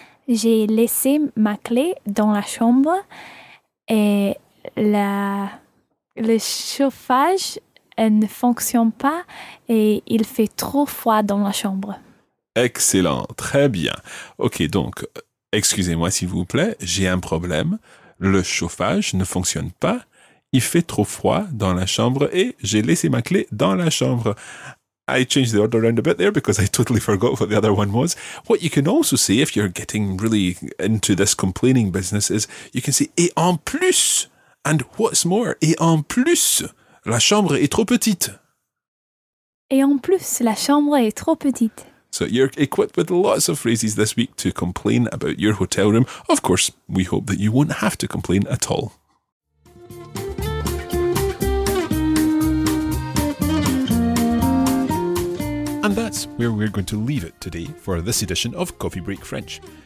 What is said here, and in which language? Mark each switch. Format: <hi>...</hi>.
<fr>J'ai laissé ma clé dans la chambre et le chauffage ne fonctionne pas et il fait trop froid dans la chambre. Excellent. Très bien. Ok, donc, excusez-moi s'il vous plaît. J'ai un problème. Le chauffage ne fonctionne pas. Il fait trop froid dans la chambre et j'ai laissé ma clé dans la chambre.</fr> <en>I changed the order around a bit there because I totally forgot what the other one was. What you can also say if you're getting really into this complaining business is you can say,</en> <fr>et en plus,</fr> <en>and what's more,</en> <fr>et en plus, la chambre est trop petite.</fr> <en>Et en plus, la chambre est trop petite. So you're equipped with lots of phrases this week to complain about your hotel room. Of course, we hope that you won't have to complain at all. And that's where we're going to leave it today for this edition of Coffee Break French.</en>